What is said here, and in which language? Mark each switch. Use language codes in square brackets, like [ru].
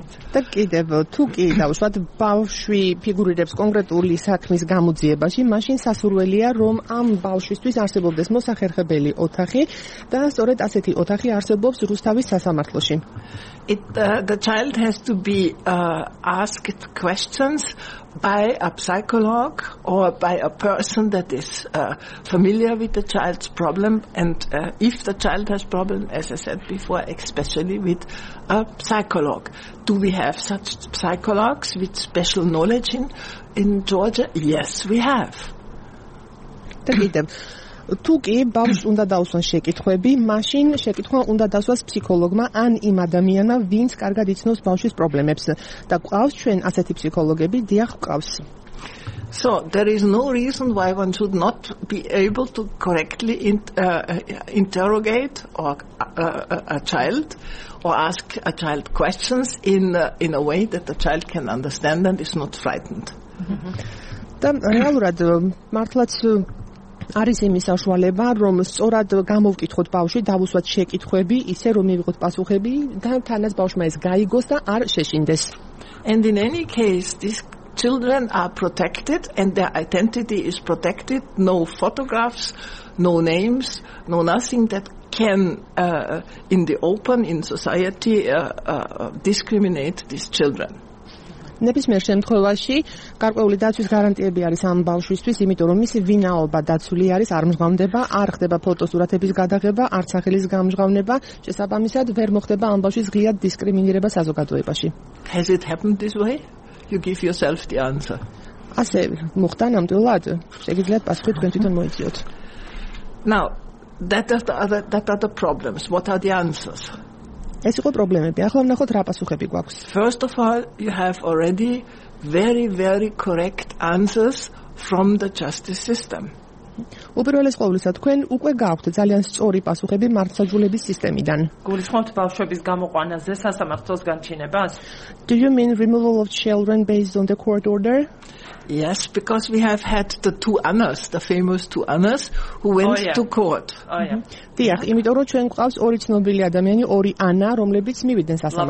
[ru] Так [ka] კიდევ თუ კი დავუშვათ ბავშვი ფიგურირებს კონკრეტული საქმის გამოძიებაში, მაშინ სასურველია რომ ამ ბავშვისთვის არსებობდეს მოსახერხებელი ოთახი და სწორედ ასეთი ოთახი არსებობს რუსთავის სასამართლოში. [en] The child has to be asked questions by a psychologue or by a person that is familiar with the child's problem and if the child has problem as I said before especially with a psychologue. Do we have such psychologues with special knowledge in Georgia? Yes, we have. Takidem. [ka] თუ კი ბავშვს უნდა დაუსვან შეკითხვები, მაშინ შეკითხვა უნდა დასვას ფსიქოლოგმა ან იმ ადამიანმა, ვინც კარგად იცნობს ბავშვის პრობლემებს და ყავს ჩვენ ასეთი ფსიქოლოგები, დიახ, ყავს. [en] So there is no reason why one should not be able to correctly interrogate or a child or ask a child questions in a way that the child can understand and is not frightened. და რეალურად მართლაც არის იმის საშუალება, რომ სწორად გამოვკითხოთ ბავშვი, დავუსვათ შეკითხვები, ისე რომ მივიღოთ პასუხები და თანაც ბავშვმა ეს გაიგოს და არ შეშინდეს. And in any case, these children are protected and their identity is protected. No photographs, no names, no nothing that can in the open in society discriminate these children. [ka] ნებისმიერ შემთხვევაში გარკვეული დაცვის გარანტიები არის ამ ბავშვისთვის, იმიტომ რომ მისი ვინაობა დაცული არის, არ მსგავდება, არ ხდება ფოტოსურათების გადაღება, არ სახელის გამჟღავნება, შესაბამისად ვერ მოხდება ამ ბავშვის ღიად დისკრიმინირება საზოგადოებაში. [en] Has it happened this way? You give yourself the answer. [ka] ასე მოხდა ნამდვილად? შეგიძლიათ პასუხი თქვენ თვითონ მოიწიოთ. [en] Now, that are the problems. What are the answers? [ka] ეს იყო პრობლემები. ახლა ვნახოთ რა პასუხები გვაქვს. [en] First of all, you have already very very correct answers from the justice system. [ka] უპირველეს ყოვლისა, თქვენ უკვე გაქვთ ძალიან სწორი პასუხები მართლმსაჯულების სისტემიდან. გულისხმობთ ბავშვების გამოყვანაზე სასამართლოს განჩინებას? [en] Do you mean removal of children based on the court order? Yes, because we have had the two Annas, the famous two Annas, who went to court. Oh, yeah. [ka] Diak, იმიტომ რომ ჩვენ გვყავს ორი ცნობილი ადამიანი, ორი ანა, რომლებიც მივიდნენ სასამართლოში.